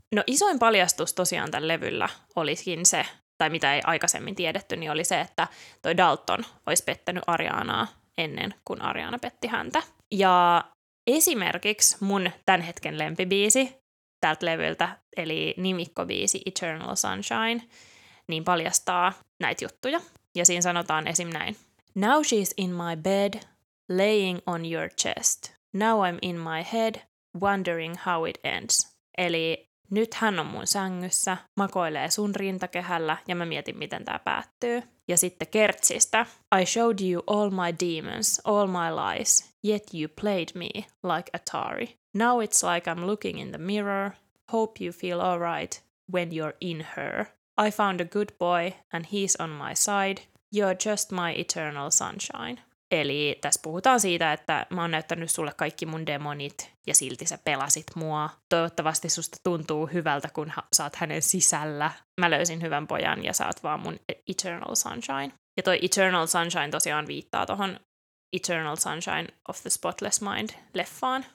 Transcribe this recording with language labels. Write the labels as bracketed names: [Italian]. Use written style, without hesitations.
[Finnish] No isoin paljastus tosiaan tämän levyllä olisikin se, tai mitä ei aikaisemmin tiedetty, niin oli se, että toi Dalton olisi pettänyt Arianaa ennen kuin Ariana petti häntä. Ja esimerkiksi mun tämän hetken lempibiisi tältä levyltä, eli nimikkobiisi Eternal Sunshine, niin paljastaa näitä juttuja. Ja siinä sanotaan esim. Näin. [English] Now she's in my bed, laying on your chest. Now I'm in my head, wondering how it ends. [Finnish] Eli Nyt hän on mun sängyssä, makoilee sun rintakehällä ja mä mietin, miten tää päättyy. Ja sitten Kertsistä. [English] I showed you all my demons, all my lies, yet you played me like Atari. Now it's like I'm looking in the mirror, hope you feel alright when you're in her. I found a good boy and he's on my side, you're just my eternal sunshine. [Finnish] Eli tässä puhutaan siitä, että mä oon näyttänyt sulle kaikki mun demonit ja silti sä pelasit mua. Toivottavasti susta tuntuu hyvältä, kun sä oot hänen sisällä. Mä löysin hyvän pojan ja sä oot vaan mun eternal sunshine. Ja toi eternal sunshine tosiaan viittaa tohon Eternal Sunshine of the Spotless Mind -leffaan.